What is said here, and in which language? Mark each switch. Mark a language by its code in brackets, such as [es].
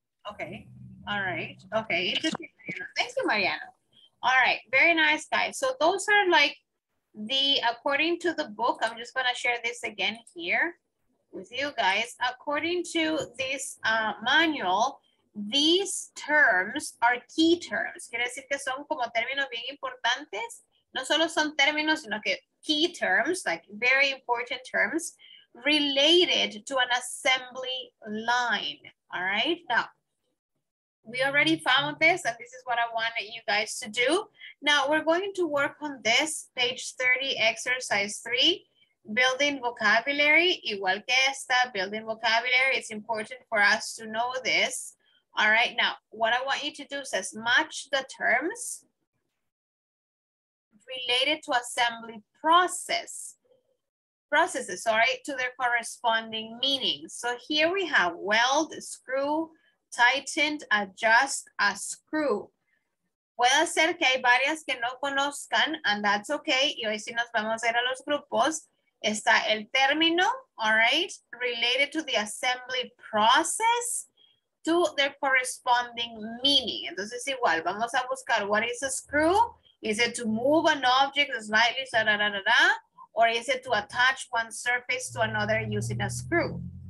[en] Okay. All right. Okay. Interesting. Thank you, Mariano. All right. Very nice, guys. So those are like the, according to the book, I'm just going to share this again here with you guys. According to this manual, these terms are key terms. [es] Quiere decir que son como términos bien importantes. No solo son términos, sino que [en] key terms, like very important terms, related to an assembly line, all right? Now, we already found this, and this is what I wanted you guys to do. Now, we're going to work on this, page 30, exercise 3, building vocabulary, [es] igual que esta, [en] building vocabulary. It's important for us to know this. All right, now, what I want you to do says match the terms related to assembly processes, to their corresponding meanings. So here we have weld, screw, tightened, adjust, a screw. [es] Puede ser que hay varias que no conozcan, [en] and that's okay. [es] Y hoy sí nos vamos a ir a los grupos. Está el término, [en] all right, related to the assembly process, to their corresponding meaning. [es] Entonces igual, vamos a buscar [en] what is a screw. Is it to move an object slightly, or is it to attach one surface to another using a screw?